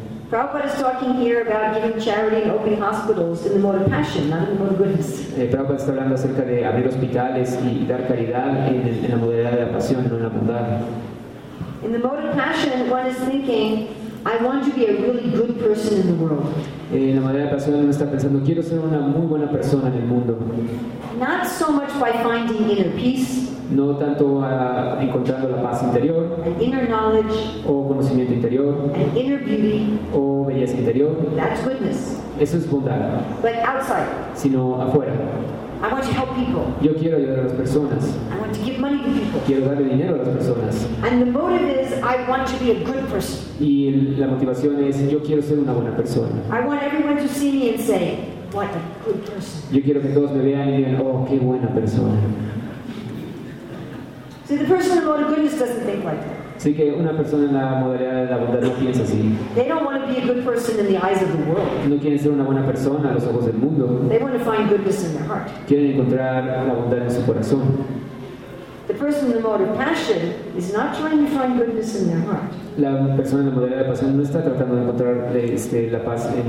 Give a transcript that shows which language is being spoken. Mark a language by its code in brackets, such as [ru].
[en] Prabhupada is talking here about giving charity and opening hospitals in the mode of passion, not in the mode of goodness. [es] Prabhupada está hablando acerca de abrir hospitales y dar caridad en la modalidad de la pasión, no en la bondad. [en] In the mode of passion, one is thinking, I want to be a really good person in the world. [es] En la modalidad de pasión uno está pensando, quiero ser una muy buena persona en el mundo. [en] Not so much by finding inner peace. [es] No tanto a encontrando la paz interior. [en] An inner knowledge. [es] O conocimiento interior. [en] An inner beauty. [es] O belleza interior. [en] That's goodness. [es] Eso es bondad. [en] But outside. [es] Sino afuera. [en] I want to help people. [es] Yo quiero ayudar a las personas. [en] I want to give money to people. [es] Quiero darle dinero a las personas. [en] And the motive is, I want to be a good person. [es] Y la motivación es, yo quiero ser una buena persona. [en] I want everyone to see me and say, what a good person. [es] Yo quiero que todos me vean y digan, oh, qué buena persona. [en] See, the person in the mode of goodness doesn't think like that. [es] Así que una persona en la modalidad de la bondad no piensa así. [en] They don't want to be a good person in the eyes of the world. [es] No quieren ser una buena persona a los ojos del mundo. [en] They want to find goodness in their heart. [es] Quieren encontrar la bondad en su corazón. [en] The person in the mode of passion is not trying to find goodness in their heart. [es] La persona en la modalidad de pasión no está tratando de encontrar la paz